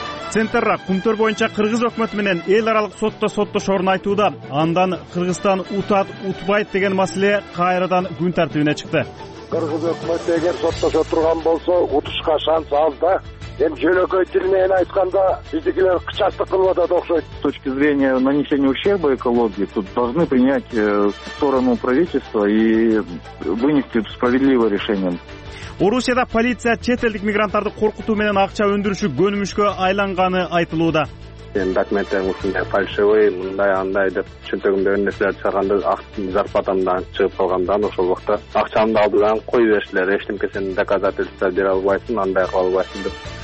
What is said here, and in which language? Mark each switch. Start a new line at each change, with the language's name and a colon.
Kyrgyz: Центрра кунтор боюнча кыргыз өкмөт менен эл аралык сотто соттош орун айтууда. Андан Кыргызстан утат утпайт деген маселе кайрадан күн тартибине чыкты. Кыргыз өкмөт эгер соттошо турган болсо утушка шанс аз да. Эми жөнөкөй тил менен айтканда бизникилер кычаты кылып атат окшойт.
Russian: С точки зрения нанесения ущерба экологии, тут должны принять сторону правительства и вынести справедливое решение.
Kyrgyz: Орусияда полиция чет элдик мигранттарды коркутуу менен акча өндүрүшү көнүмүшкө айланганы айтылууда. Документтер ушундай фальшивый, мындай андай деп чөнтөгүмдө нерселерди чыгарганда зарплатамдан чыгып калгандан ошол убакта акчамды алдыдан коюп бериштилер. Эчтимке сен доказательство бере албайсың, андай кыла албайсың деп.